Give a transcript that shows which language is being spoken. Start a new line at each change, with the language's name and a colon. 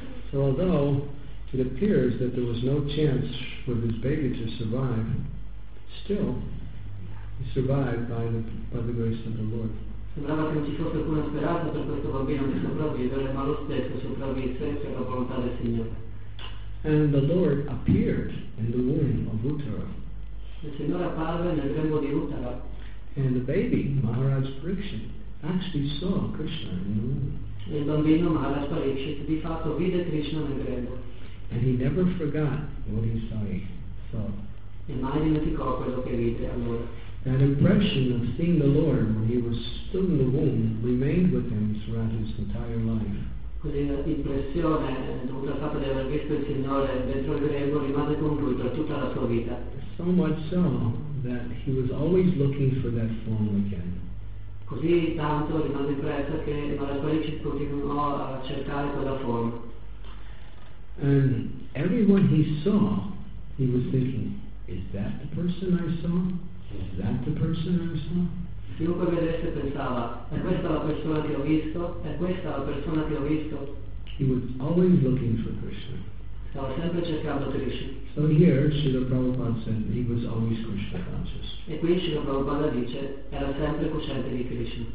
English: So although it appears that there was no chance for this baby to survive, still he survived by the grace of the Lord.
Italian: Sembrava che non ci fosse alcuna speranza per questo bambino di sopravvivere, ma lo stesso sopravvisse per la volontà del Signore.
English: And the Lord appeared in the womb of Uttara.
Italian: Il Signore apparve nel grembo di Uttara.
English: And the baby, Maharaj Pariksit, actually saw Krishna in the womb.
Italian: Il bambino Maharaj Pariksit di fatto vide Krishna nel grembo.
English: And he never forgot what he saw.
Italian: E mai dimenticò quello che vide allora.
English: That impression of seeing the Lord when he was still in the womb remained with him throughout his entire life.
Italian: Quell'impressione dovuta al fatto di aver visto il Signore dentro il grembo rimase con lui per tutta la sua vita.
English: So much so that he was always looking for that form again.
Italian: Così tanto rimase impresso che Maharaj Pariksit continuò a cercare quella forma.
English: And everyone he saw, he was thinking, is that the person I saw? Is that the person I saw?
Italian: Chiunque vedesse pensava, è questa la persona che ho visto? È questa la persona che ho visto?
English: He was always looking for Krishna.
Italian: Stava sempre cercando Krishna.
English: So here, Srila Prabhupada said, he was always Krishna conscious.
Italian: E qui Srila Prabhupada dice, era sempre cosciente di Krishna.